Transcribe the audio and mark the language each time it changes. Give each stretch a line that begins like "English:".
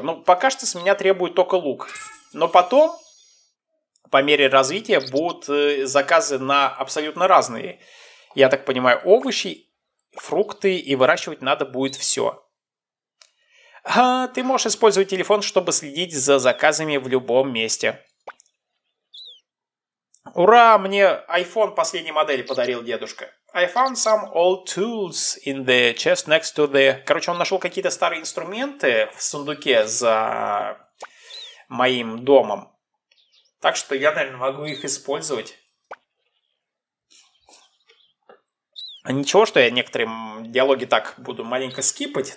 Russian: Ну, пока что с меня требует только лук. Но потом... По мере развития будут заказы на абсолютно разные, я так понимаю, овощи, фрукты, и выращивать надо будет все. Ты можешь использовать телефон, чтобы следить за заказами в любом месте. Ура, мне iPhone последней модели подарил дедушка.
English: I found some old tools in the chest next to the...
Russian: Короче, он нашел какие-то старые инструменты в сундуке за моим домом. Так что я, наверное, могу их использовать. Ничего, что я некоторые диалоги так буду маленько скипать.